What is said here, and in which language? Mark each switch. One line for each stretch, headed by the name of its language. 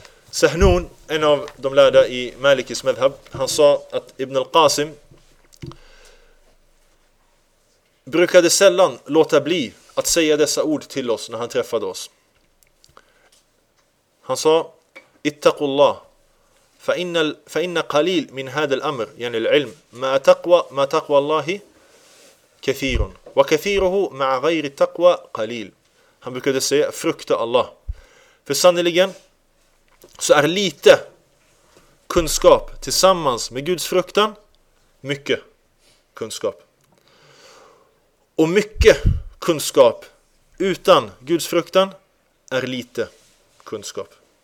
Swedish: Sahnun, en av de lärda i Malikis madhab, han sa att Ibn al-Qasim brukade sällan låta bli att säga dessa ord till oss när han träffade oss. Han sa:
Arabic: ittaqullah فإن قليل من هذا الأمر يعني العلم ما تقوى الله كثير وكثيره مع غير التقوى قليل.
Swedish: Han brukade säga frukta Allah. För sannoliken så är lite kunskap tillsammans med Guds fruktan mycket kunskap. Och mycket kunskap utan Guds fruktan är lite kunskap.